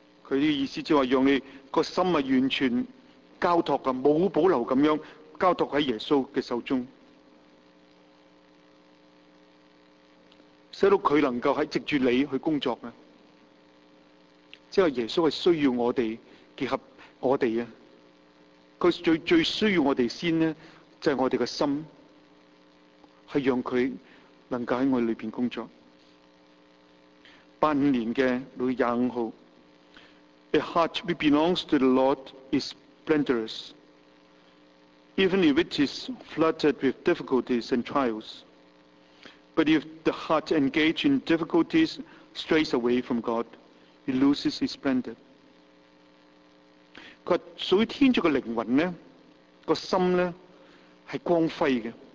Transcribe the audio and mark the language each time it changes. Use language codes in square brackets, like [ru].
[yue] 佢嘅意思就係讓你個心係完全交託嘅，冇保留咁樣交託喺耶穌嘅手中，使到佢能夠喺藉住你去工作嘅。即係耶穌係需要我哋結合我哋啊！佢最需要我哋先咧，就係我哋嘅心，係讓佢能夠喺我裏邊工作。 85年嘅6月25日 [en] ，A heart which belongs to the Lord is plenteous, even if it is flooded with difficulties and trials. But if the heart engaged in difficulties strays away from God, it loses its splendor. [yue] 佢屬於天主嘅靈魂咧，個心咧係光輝嘅。